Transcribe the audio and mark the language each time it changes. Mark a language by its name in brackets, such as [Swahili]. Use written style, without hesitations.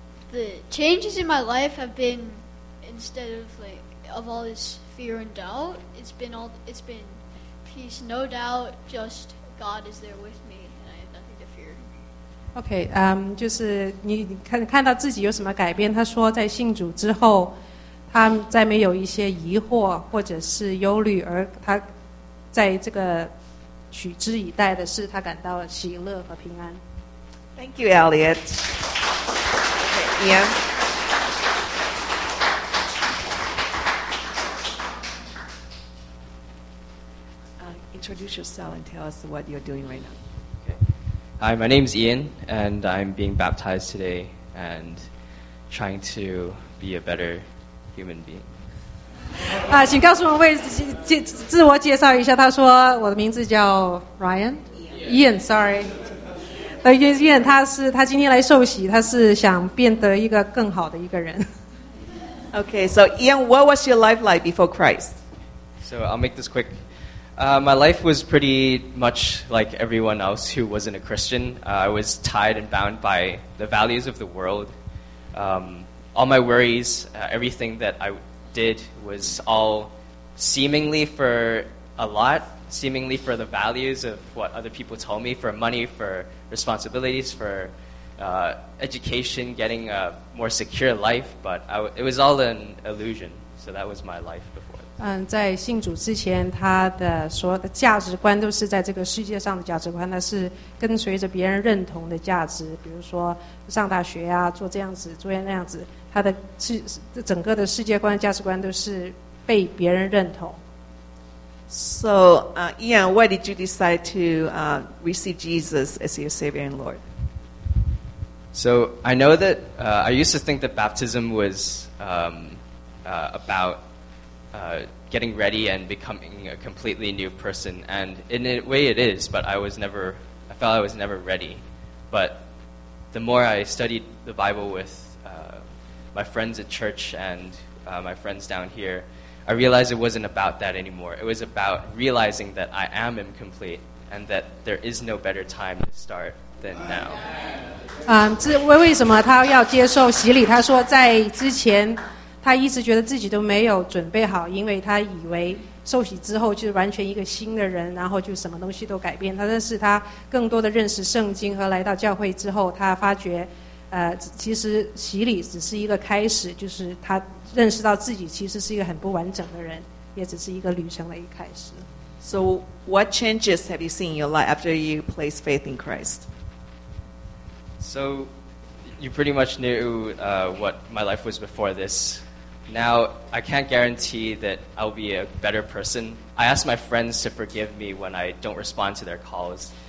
[English] The changes in my life have been, instead of all this fear and doubt, it's been peace, no doubt, just God is there with me, and I have nothing to fear. [Chinese] Okay, 就是你看到自己有什么改变？他说，在信主之后，他再没有一些疑惑或者是忧虑，而他在这个取之以待的是他感到喜乐和平安。 [English] Thank you, Elliot. Ian, introduce yourself and tell us what you're doing right now. Okay. Hi, my name is Ian, and I'm being baptized today and trying to be a better human being. [Chinese] 请告诉我为自我介绍一下。他说我的名字叫 Ryan. [English] Ian, sorry. [Chinese] Ian, 他今天来受洗，他是想变得一个更好的一个人。 [English] Okay, so Ian, what was your life like before Christ? So I'll make this quick. My life was pretty much like everyone else who wasn't a Christian. I was tied and bound by the values of the world. All my worries, everything that I did was all seemingly for a lot, seemingly for the values of what other people told me, for money, forresponsibilities for education, getting a more secure life, but it was all an illusion. So that was my life before. [Chinese] 在信主之前，他的所有的价值观都是在这个世界上的价值观，他是跟随着别人认同的价值，比如说上大学啊，做这样子，做那样子，他的整个的世界观、价值观都是被别人认同。 [English] So, Ian, why did you decide to receive Jesus as your Savior and Lord? So, I know that I used to think that baptism was about getting ready and becoming a completely new person. And in a way it is, but I felt I was never ready. But the more I studied the Bible with my friends at church and my friends down here,I realized it wasn't about that anymore. It was about realizing that I am incomplete and that there is no better time to start than now. [Chinese] 为什么他要接受洗礼？他说在之前他一直觉得自己都没有准备好，因为他以为受洗之后就是完全一个新的人，然后就什么东西都改变。但是他更多的认识圣经和来到教会之后，他发觉其实洗礼只是一个开始，就是他认识到自己其实是一个很不完整的人，也只是一个旅程的一开始。 [English] So what changes have you seen in your life after you place faith in Christ? So you pretty much knew what my life was before this. Now I can't guarantee that I'll be a better person. I ask my friends to forgive me when I don't respond to their calls.